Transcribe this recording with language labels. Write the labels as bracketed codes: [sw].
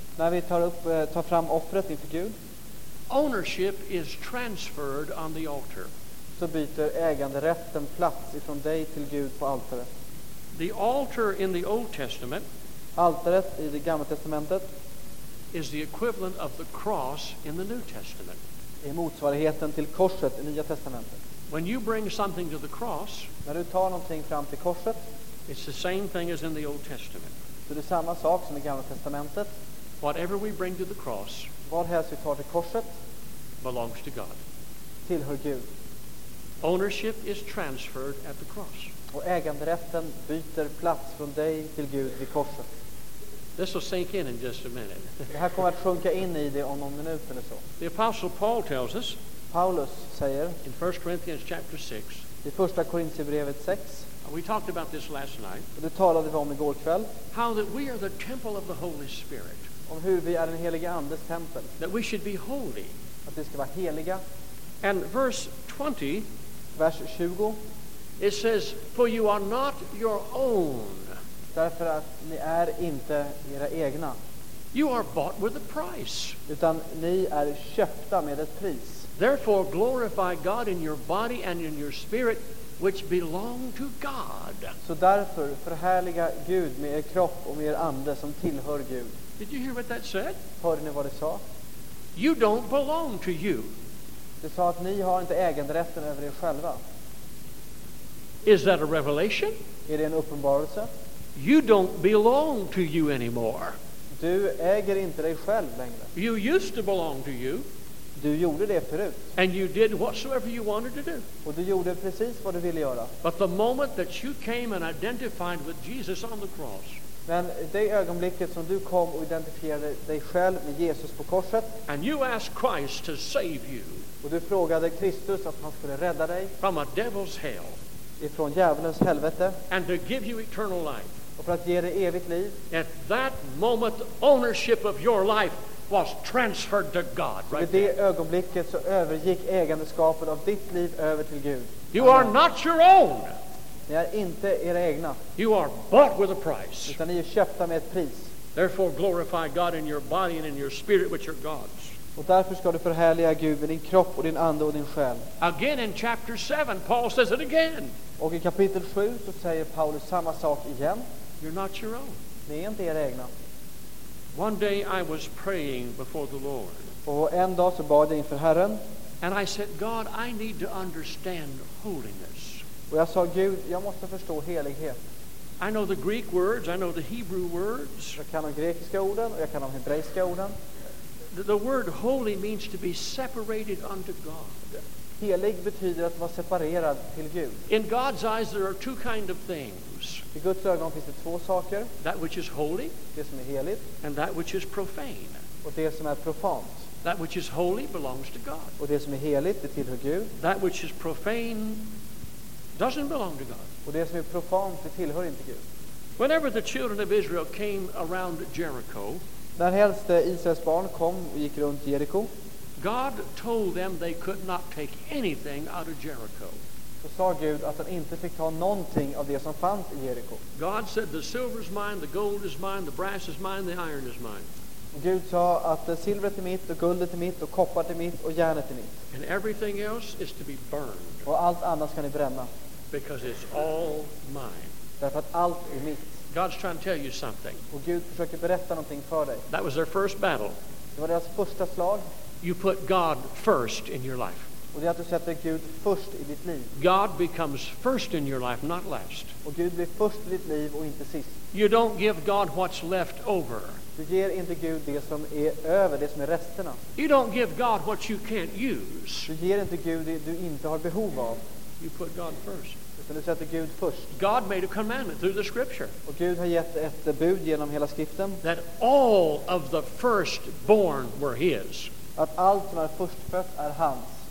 [sv] när vi tar fram offret inför Gud, [en] ownership is transferred on the altar. [sv] Så byter äganderätten plats ifrån dig till Gud på altaret. [en] The altar in the Old Testament, [sv] altaret i det gamla testamentet, [en] is the equivalent of the cross in the New Testament. [sv] Är motsvarigheten till korset i Nya testamentet. [en] When you bring something to the cross, [sv] när du tar någonting fram till korset, [en] it's the same thing as in the Old Testament. [sv] Så det är samma sak som i gamla testamentet. [en] Whatever we bring to the cross, [sv] vad helst vi tar till korset, [en] belongs to God. [sv] Tillhör Gud. [en] Ownership is transferred at the cross. [sv] Och äganderätten byter plats från dig till Gud vid korset. [en] This will sink in just a minute. [sv] Det här kommer att sjunka in i det om någon minut eller så. [en] The apostle Paul tells us, [sv] Paulus säger, [en] in 1 Corinthians chapter 6. [sv] I första Korinthierbrevet 6. [en] We talked about this last night. [sv] Och det talade vi om igår kväll. [en] How that we are the temple of the Holy Spirit. [sv] Om hur vi är den helige andes tempel. [en] That we should be holy. [sv] Att vi ska vara heliga. [en] And verse 20, [sv] vers 20. [en] It says, for you are not your own. [sv] Därför att ni är inte era egna. [en] You are bought with a price. [sv] Utan ni är köpta med ett pris. [en] Therefore glorify God in your body and in your spirit, which belong to God. [sv] Så därför förhärliga Gud med er kropp och med er ande som tillhör Gud. [en] Did you hear what that said? [sv] Hörde ni vad det sa? [en] You don't belong to you. [sv] Det sa att ni har inte äganderätten över er själva. [en] Is that a revelation? [sv] Är det en uppenbarelse? [en] You don't belong to you anymore. [sv] Du äger inte dig själv längre. [en] You used to belong to you. [sv] Du gjorde det förut. [en] And you did whatsoever you wanted to do. [sv] Och du gjorde precis vad du ville göra. [en] But the moment that you came and identified with Jesus on the cross. [sv] Men det ögonblicket som du kom och identifierade dig själv med Jesus på korset. [en] And you asked Christ to save you. [sv] Och du frågade Kristus att han skulle rädda dig. [en] From a devil's hell. [sv] Ifrån djävulens helvete. [en] And to give you eternal life. [sv] Och för att ge dig evigt liv. [en] At that moment, ownership of your life was transferred to God. Right. [sv] Vid det ögonblicket så övergick ägandeskapet av ditt liv över till Gud. [en] You are not your own. [sv] Ni är inte era egna. [en] You are bought with a price. [sv] Utan ni är köpta med ett pris. [en] Therefore glorify God in your body and in your spirit, which are God's. [sv] Och därför ska du förhärliga Gud med din kropp och din ande och din själ. [en] Again in chapter 7, Paul says it again. [sv] Och i kapitel 7 så säger Paulus samma sak igen. [en] You're not your own. [sv] Ni är inte era egna. [en] One day I was praying before the Lord. [sv] Och en dag så bad jag inför Herren. [en] And I said, God, I need to understand holiness. [sv] Och jag sa, Gud, jag måste förstå helighet. [en] I know the Greek words, I know the Hebrew words. [sv] Jag kan de grekiska orden och jag kan de hebreiska orden. [en] The word holy means to be separated unto God. [sv] Helig betyder att vara separerad till Gud. [en] In God's eyes there are two kind of things. [sv] I Guds ögon finns det två saker. [en] That which is holy, [sv] det som är heligt, [en] and that which is profane. [sv] Och det som är profant. [en] That which is holy belongs to God. [sv] Och det som är heligt, det tillhör Gud. [en] That which is profane doesn't belong to God. [sv] Och det som är profant, det tillhör inte Gud. [en] Whenever the children of Israel came around Jericho, [sv] när helst Israels barn kom och gick runt Jeriko, [en] God told them they could not take anything out of Jericho. [sv] Så sa Gud att han inte fick ta någonting av det som fanns i Jeriko. [en] God said the silver is mine, the gold is mine, the brass is mine, the iron is mine. [sv] Gud sa att silvret är mitt och guldet är mitt och koppar är mitt och järnet är mitt. [en] And everything else is to be burned. [sv] Och allt annat ska ni bränna. [en] Because it's all mine. [sv] Därför att allt är mitt. [en] God's trying to tell you something. [sv] Och Gud försöker berätta någonting för dig. [en] That was their first battle. [sv] Det var deras första slag. [en] You put God first in your life. [sv] Och det är att du sätter Gud först i ditt liv. [en] God becomes first in your life, not last. [sv] Och Gud blir först i ditt liv och inte sist. [en] You don't give God what's left over. [sv] Du ger inte Gud det som är över, det som är resterna. [en] You don't give God what you can't use. [sv] Du ger inte Gud det du inte har behov av. [en] You put God first. [sv] Du sätter Gud först. [en] God made a commandment through the scripture. [sv] Och Gud har gett ett bud genom hela skriften. [en] That all of the firstborn were his. [sv] Att allt som är förstfött är hans.